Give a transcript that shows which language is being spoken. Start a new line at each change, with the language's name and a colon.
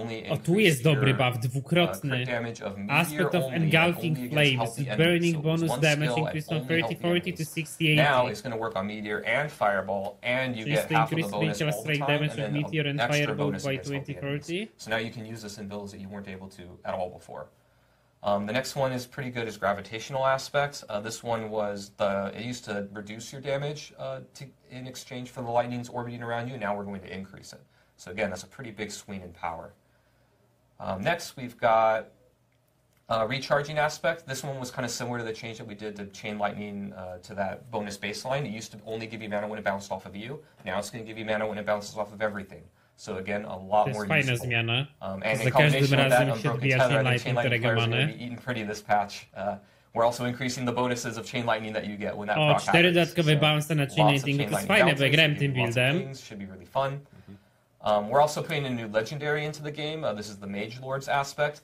Polish: O, tu jest dobry buff, dwukrotny.
English: Aspect of engulfing flames. Burning bonus damage increased from 2040 to 68. Now it's going to work on Meteor and Fireball, and you get half of the bonus all the time, and then extra bonus by 2040. So now you can use this in builds that you weren't able to at all before. The next one is pretty good, is gravitational aspects. This one was the, it used to reduce your damage in exchange for the lightnings orbiting around you. Now we're going to increase it. So again, that's a pretty big swing in power. Next, we've got recharging aspect. This one was kind of similar to the change that we did to chain lightning to that bonus baseline. It used to only give you mana when it bounced off of you. Now it's going to give you mana when it bounces off of everything. So again, a lot to more useful.
Polish: Zmiana,
English: and in combination with that unbroken tether, the chain lightning player is going to be eaten pretty this patch. We're also increasing the bonuses of chain lightning that you get when that proc happens.
Polish: Cztery dodatkowe bounce na chain lightning, to jest fajne, bo grałem tym buildem.
English: Should be really fun. We're also putting a new legendary into the game. This is the Mage Lord's aspect.